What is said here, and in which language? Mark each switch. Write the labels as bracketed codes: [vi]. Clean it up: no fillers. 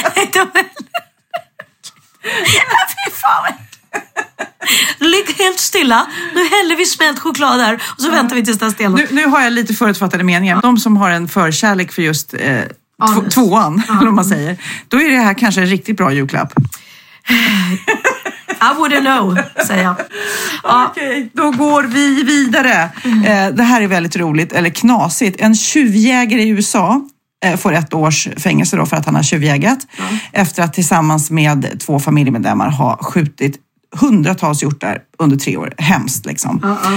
[sv] Nej, fy fan. Ligg helt stilla. Nu häller vi smält choklad här och så väntar vi tills den stelnar. Nu har jag lite förutfattade meningar. De som har en förkärlek för just tvåan, om man säger, då är det här kanske en riktigt bra julklapp. [en] I wouldn't know, [sv] säger jag. Okej, då går vi vidare. Det här är väldigt roligt, eller knasigt. En tjuvjägare i USA får ett års fängelse då för att han har tjuvjägat. Efter att tillsammans med två familjemedlemmar ha skjutit hundratals hjortar under 3 år. Hemskt liksom.